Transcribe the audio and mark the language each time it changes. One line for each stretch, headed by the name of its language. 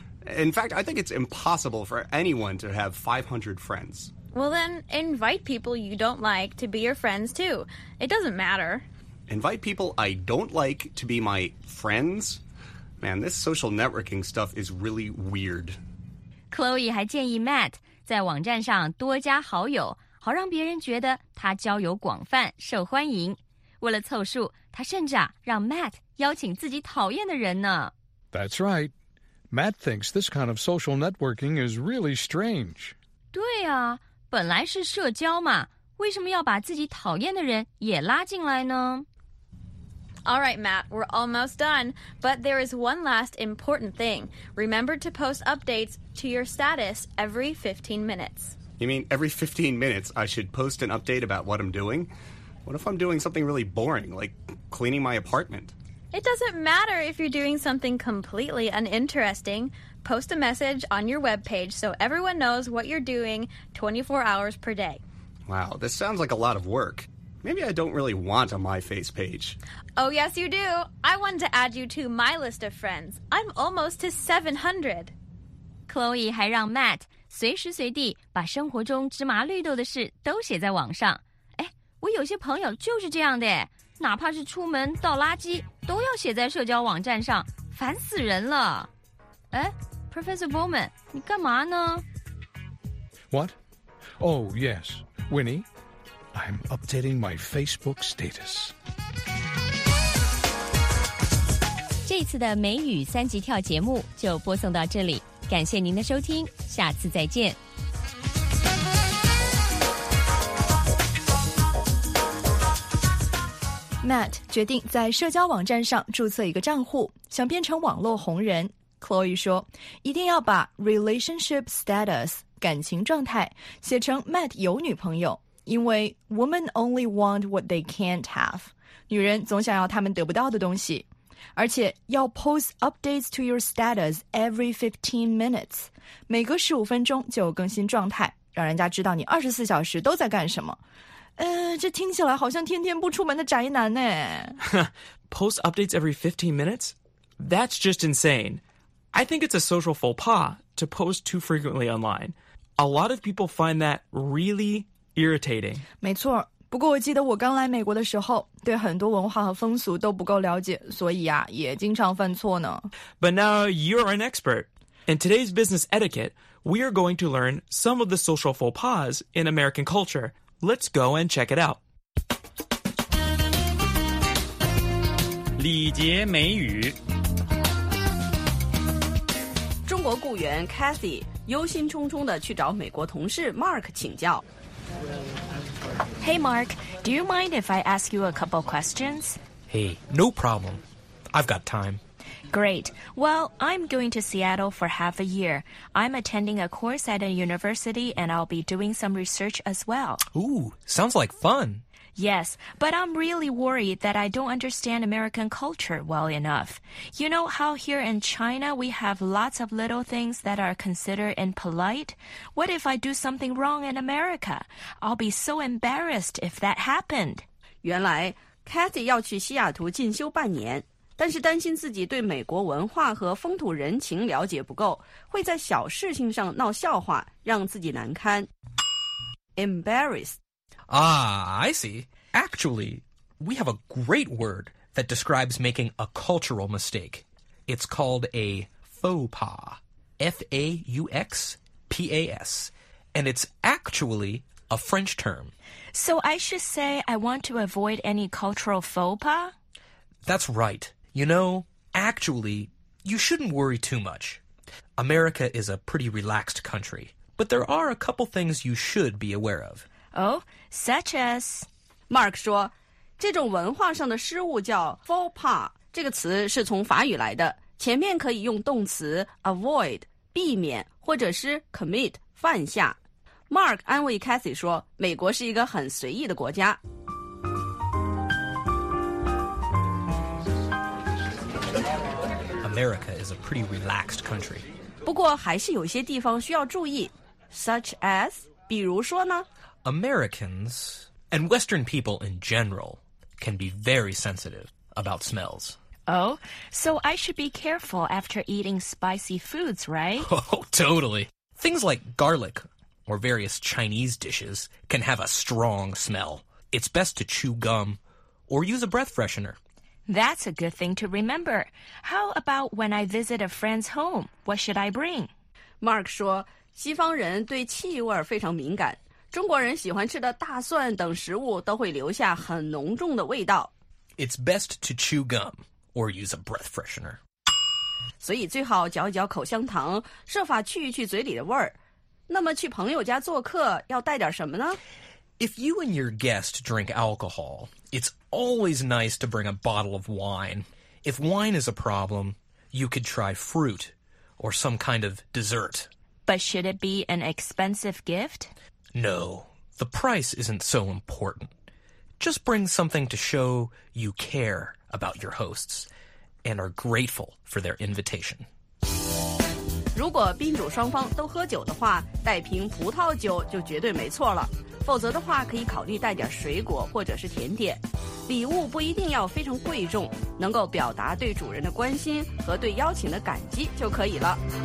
English: In fact, I think it's impossible for anyone to have 500 friends. Well, then invite people you don't like to be your friends, too. It doesn't matter. Invite people I don't like to be my friends? Man, this social networking stuff is really weird.
Chinese: Chloe 还建议 Matt 在网站上多加好友，好让别人觉得他交友广泛受欢迎。为了凑数，他甚至啊让 Matt 邀请自己讨厌的人呢。
English: That's right. Matt thinks this kind of social networking is really strange.
Chinese: 对啊，本来是社交嘛，为什么要把自己讨厌的人也拉进来呢？
English: All right, Matt, we're almost done, but there is one last important thing. Remember to post updates to your status every 15 minutes. You mean every 15 minutes I should post an update about what I'm doing? What if I'm doing something really boring, like cleaning my apartment? It doesn't matter if you're doing something completely uninteresting. Post a message on your webpage so everyone knows what you're doing 24 hours per day. Wow, this sounds like a lot of work. Maybe I don't really want a MyFace page. Oh, yes, you do. I want to add you to my list of friends. I'm almost to 700.
Chinese: Chloe 还让 Matt 随时随地把生活中芝麻绿豆的事都写在网上。哎，我有些朋友就是这样的，哪怕是出门倒垃圾都要写在社交网站上，烦死人了。哎 ,Professor Bowman, 你干嘛呢？
English: What? Oh, yes, Winnie. I'm updating my Facebook status.
Chinese: 这次的美语三级跳节目就播送到这里，感谢您的收听，下次再见。 Matt 决定在社交网站上注册一个账户，想变成网络红人。 Chloe 说，一定要把
English: relationship status
Chinese: 感情状态写成 Matt 有女朋友。因为
English: women only want what they can't have.
Chinese: 女人总想要她们得不到的东西。而且要
English: post updates to your status every 15 minutes.
Chinese: 每隔15分钟就更新状态，让人家知道你24小时都在干什么。这听起来好像天天不出门的宅男呢。
English: Post updates every 15 minutes? That's just insane. I think it's a social faux pas to post too frequently online. A lot of people find that really... irritating.
Chinese: 没错，不过我记得我刚来美国的时候，对很多文化和风俗都不够了解，所以啊，也经常犯错呢。
English: But now you're an expert. In today's business etiquette, we are going to learn some of the social faux pas in American culture. Let's go and check it out.
Chinese: 礼节美语。中国雇员 Cathy 忧心忡忡地去找美国同事 Mark 请教。
English: Hey, Mark, do you mind if I ask you a couple questions? Hey, no problem. I've got time. Great. Well, I'm going to Seattle for half a year. I'm attending a course at a university, and I'll be doing some research as well. Ooh, sounds like fun. Yes, but I'm really worried that I don't understand American culture well enough. You know how here in China we have lots of little things that are considered impolite? What if I do something wrong in America? I'll be so embarrassed if that happened.
Chinese: 原来 Cathy 要去西雅图进修半年，但是担心自己对美国文化和风土人情了解不够，会在小事情上闹笑话，让自己难堪。
English: Embarrassed. Ah, I see. Actually, we have a great word that describes making a cultural mistake. It's called a faux pas. F-A-U-X-P-A-S. And it's actually a French term. So I should say I want to avoid any cultural faux pas? That's right. You know, actually, you shouldn't worry too much. America is a pretty relaxed country, but there are a couple things you should be aware of. Oh, such as...
Chinese: Mark 说，这种文化上的失误叫 faux pas， 这个词是从法语来的，前面可以用动词 avoid， 避免，或者是 commit， 犯下。 Mark 安慰 Cathy 说，美国是一个很随意的国家。
English: America is a pretty relaxed country.
Chinese: 不过还是有些地方需要注意，
English: such as,
Chinese: 比如说呢？
English: Americans, and Western people in general, can be very sensitive about smells. Oh, so I should be careful after eating spicy foods, right? Oh, totally. Things like garlic or various Chinese dishes can have a strong smell. It's best to chew gum or use a breath freshener. That's a good thing to remember. How about when I visit a friend's home? What should I bring?
Chinese: Mark 说，西方人对气味非常敏感。中国人喜欢吃的大蒜等食物都会留下很浓重的味道。
English: It's best to chew gum or use a breath freshener.
Chinese: 所以最好嚼一嚼口香糖，设法去一去嘴里的味儿。那么去朋友家做客要带点什么呢？
English: If you and your guest drink alcohol, it's always nice to bring a bottle of wine. If wine is a problem, you could try fruit or some kind of dessert. But should it be an expensive gift? No, the price isn't so important. Just bring something to show you care about your hosts and are grateful for their invitation.
Chinese: 如果宾主双方都喝酒的话，带瓶葡萄酒就绝对没错了。否则的话，可以考虑带点水果或者是甜点。礼物不一定要非常贵重，能够表达对主人的关心和对邀请的感激就可以了。